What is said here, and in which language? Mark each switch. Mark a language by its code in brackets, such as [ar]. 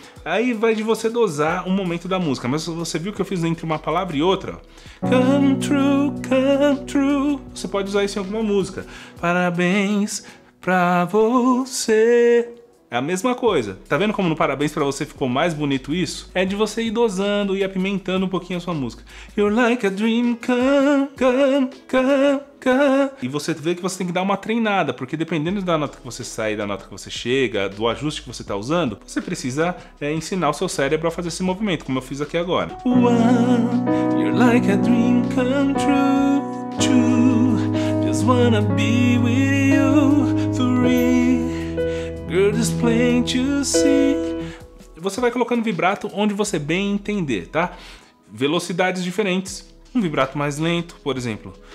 [pt] Aí vai de você dosar o momento da música. Mas você viu que eu fiz entre uma palavra e outra? [en] Come true, come true. [pt] Você pode usar isso em alguma música. Parabéns pra você. É a mesma coisa. Tá vendo como no parabéns pra você ficou mais bonito isso? É de você ir dosando e apimentando um pouquinho a sua música. [en] You're like a dream come, come, come, come. [pt] E você vê que você tem que dar uma treinada, porque dependendo da nota que você sai, da nota que você chega, do ajuste que você tá usando, você precisa ensinar o seu cérebro a fazer esse movimento, como eu fiz aqui agora. [en] One, you're like a dream come true. Two, just wanna be with you. Three, girl, it's plain to see. [pt] Você vai colocando vibrato onde você bem entender, tá? Velocidades diferentes. Um vibrato mais lento, por exemplo.